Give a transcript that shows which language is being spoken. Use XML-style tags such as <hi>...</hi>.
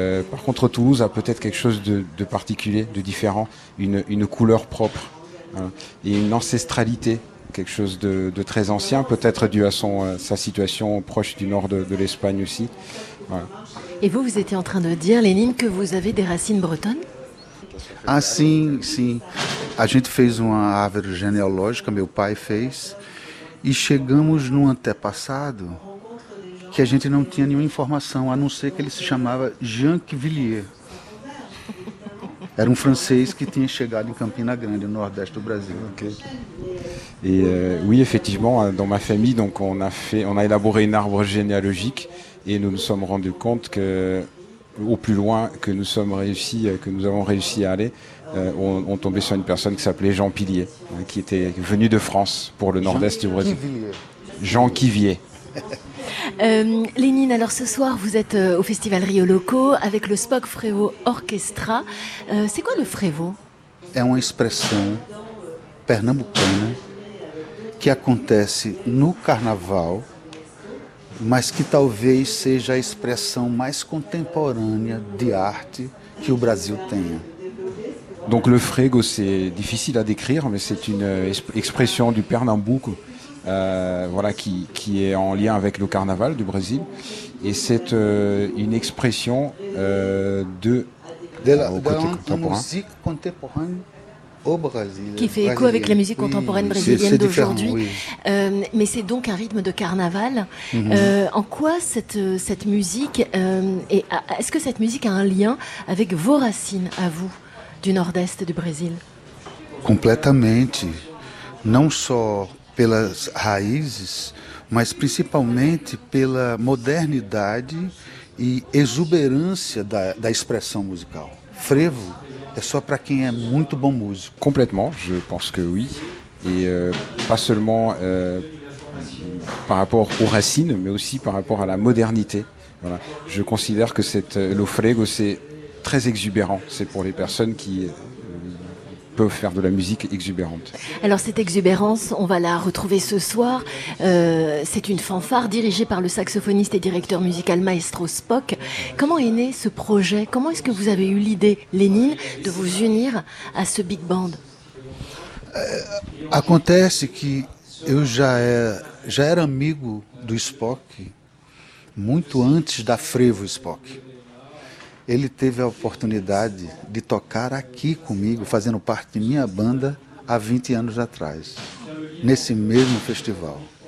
<fr>Par contre, Toulouse a peut-être quelque chose de particulier, de différent, une couleur propre et une ancestralité, quelque chose de très ancien, peut-être dû à sa situation proche du nord de l'Espagne aussi. Voilà. Et vous étiez en train de dire, Lénine, que vous avez des racines bretonnes?</fr> <pt>Ah, sim, sim. A gente fez uma árvore genealógica, meu pai fez, e chegamos num antepassado que a gente não tinha nenhuma informação, a não ser que ele se chamava Jean Cuvillier. Era um francês que tinha chegado em Campina Grande, no nordeste do Brasil. Okay.</pt> <fr>Et oui, effectivement, dans ma famille, donc on a élaboré une arbre généalogique et nous nous sommes rendus compte que au plus loin que nous sommes réussis, que nous avons réussi à aller, on tombait sur une personne qui s'appelait Jean Pilier, qui était venu de France pour le nord-est du Brésil. Jean Cuvillier. Lénine, alors ce soir vous êtes au festival Rio Loco avec le Spock Prévost Orchestra. C'est quoi le Prévost? C'est une expression</fr> <pt>pernambucana qui acontece no carnaval, mas que talvez seja a expressão mais contemporânea de arte que o Brasil tenha.</pt> <fr>Donc le frego, c'est difficile à décrire, mais c'est une expression du Pernambuco. Voilà, qui est en lien avec le carnaval du Brésil. Et c'est une expression de la musique contemporaine au Brésil. Qui fait écho avec la musique contemporaine brésilienne d'aujourd'hui. Oui. Mais c'est donc un rythme de carnaval. En quoi cette musique, est-ce que cette musique a un lien avec vos racines à vous, du nord-est du Brésil? Complètement. Non seulement</fr> <pt>pelas raízes, mas principalmente pela modernidade e exuberância da expressão musical. Frevo é só para quem é muito bom músico.</pt> <fr>Complètement, je pense que oui. Et pas seulement par rapport aux racines, mais aussi par rapport à la modernité. Voilà. Je considère que le frevo, c'est très exubérant. C'est pour les personnes qui peuvent faire de la musique exubérante. Alors cette exubérance, on va la retrouver ce soir. C'est une fanfare dirigée par le saxophoniste et directeur musical Maestro Spock. Comment est né ce projet? Comment est-ce que vous avez eu l'idée, Lénine, de vous unir à ce big band?</fr> <pt>Acontece que eu já era amigo do Spock muito antes da Frevo Spock. ele teve a oportunidade de tocar aqui comigo, fazendo parte de minha banda, há 20 anos atrás, nesse mesmo festival.</pt>